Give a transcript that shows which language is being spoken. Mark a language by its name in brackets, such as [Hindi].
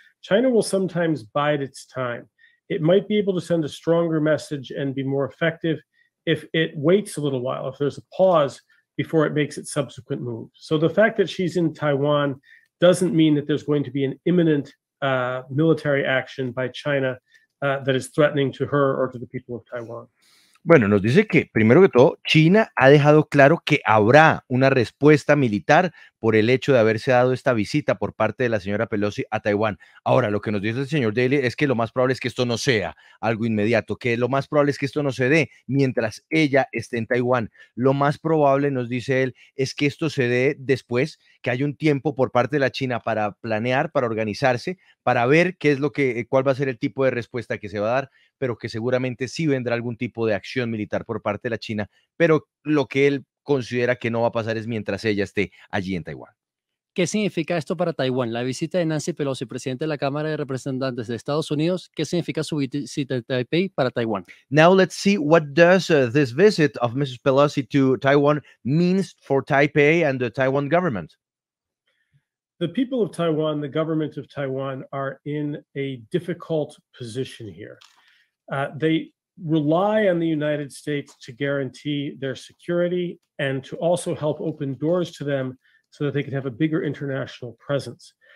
[English] China will sometimes bide its time. It might be able to send a stronger message and be more effective if it waits a little while, if there's a pause before it makes its subsequent move. So the fact that she's in Taiwan doesn't mean that there's going to be an imminent military action by China that is threatening to her or to the people of Taiwan. [Spanish] Bueno, nos dice que, primero que todo, China ha dejado claro que habrá una respuesta militar por el hecho de haberse dado esta visita por parte de la señora Pelosi a Taiwán. Ahora, lo que nos dice el señor Daly es que lo más probable es que esto no sea algo inmediato, que lo más probable es que esto no se dé mientras ella esté en Taiwán. Lo más probable, nos dice él, es que esto se dé después, que haya un tiempo por parte de la China para planear, para organizarse, para ver qué es lo que, cuál va a ser el tipo de respuesta que se va a dar, pero que seguramente sí vendrá algún tipo de acción militar por parte de la China, pero lo que él considera que no va a pasar es mientras ella esté allí en Taiwán. ¿Qué significa esto para Taiwán? La visita de Nancy Pelosi, presidente de la Cámara de Representantes de Estados Unidos, ¿qué significa su visita de Taipei para Taiwán? [English] Now let's see what does this visit of Mrs. Pelosi to Taiwan means for Taipei and the Taiwan government. The people of Taiwan, the government of Taiwan, are in a difficult position here. They rely on the United States to guarantee their security and to also help open doors to them so that they can have a bigger international presence.